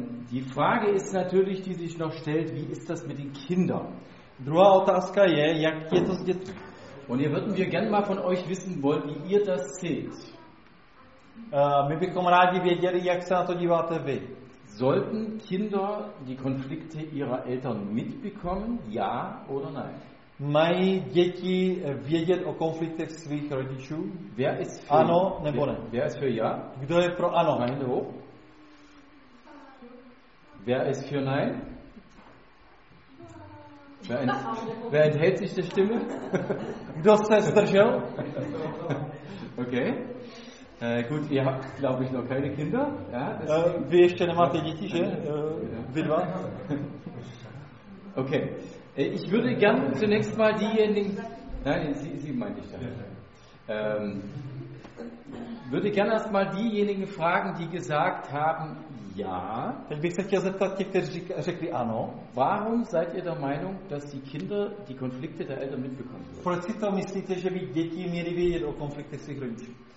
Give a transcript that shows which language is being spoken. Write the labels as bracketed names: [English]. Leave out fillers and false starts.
[German] Die Frage ist natürlich, die sich noch stellt, wie ist das mit den Kindern? [Czech] Druhá otázka je, jak je to s dětmi. [German] Und hier würden wir gerne mal von euch wissen wollen, wie ihr das seht. [Czech] My bychom rádi věděli, jak se na to díváte vy. [German] Sollten Kinder die Konflikte ihrer Eltern mitbekommen, ja oder nein? [Czech] Mají děti vědět o konfliktech svých rodičů? [German] Wer ist für [Czech] ano nebo ne? [German] Wer ist für ja? [Czech] Kdo je pro ano? [German] Nein, [Czech] nebo? [German] Wer ist für nein? Wer enthält sich der Stimme? [Czech] Kdo se zdržel? [German] Okay. Gut, ihr habt, glaube ich, noch keine Kinder. Ja, [Czech] vy ještě nemáte děti, že? Vy dva? Okay. [German] Ich würde gern zunächst mal diejenigen... Nein, sie meinte ich da. Würde gern erst mal diejenigen fragen, die gesagt haben, ja. [Czech] Teď bych se chtěl zeptat těch, kteří řekli ano. [German] Warum seid ihr der Meinung, dass die Kinder die Konflikte der Eltern mitbekommen sollen? [Czech] Proč si to myslíte, že by děti měli vědět o konfliktech svých rodičů?